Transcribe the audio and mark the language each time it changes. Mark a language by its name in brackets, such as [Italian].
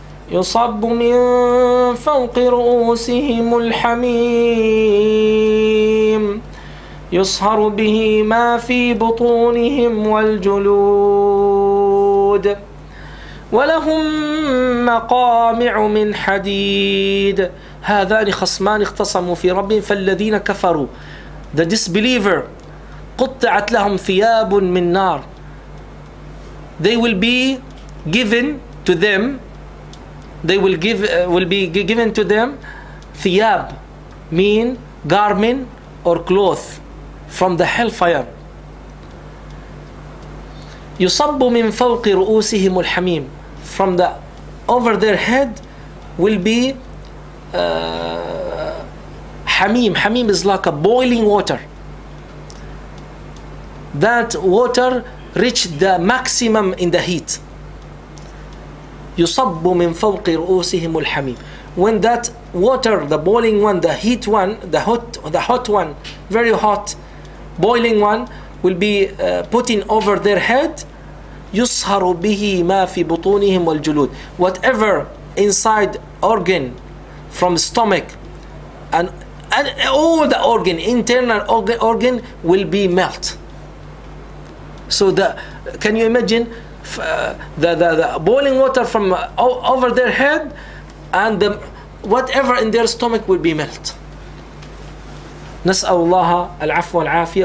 [Arabic] يصب من فوق رؤوسهم الحميم يصهر به ما في بطونهم والجلود. ولهم مقامع من حديد. هذان خصمان اختصموا في ربهم فالذين كفروا, [English] the disbeliever, [Arabic] قطعت لهم ثياب من نار. [English] They will be given to them, they will give will be given to them ثياب, mean garment or cloth, from the hellfire. [Arabic] يصب من فوق رؤوسهم الحميم, [English] from the over their head will be حميم. حميم is like a boiling water. That water reached the maximum in the heat. [Arabic] يصب من فوق رؤوسهم الحميم. [English] When that water, the boiling one, the heat one, the hot one, very hot, boiling one, will be put in over their head, [Arabic] يصهر به ما في بطونهم والجلود. [English] Whatever inside organ, from stomach, and all the organ, internal organ, will be melt. So the, can you imagine the boiling water from over their head, and the, whatever in their stomach will be melt. [Arabic] نسأل الله العفو والعافية.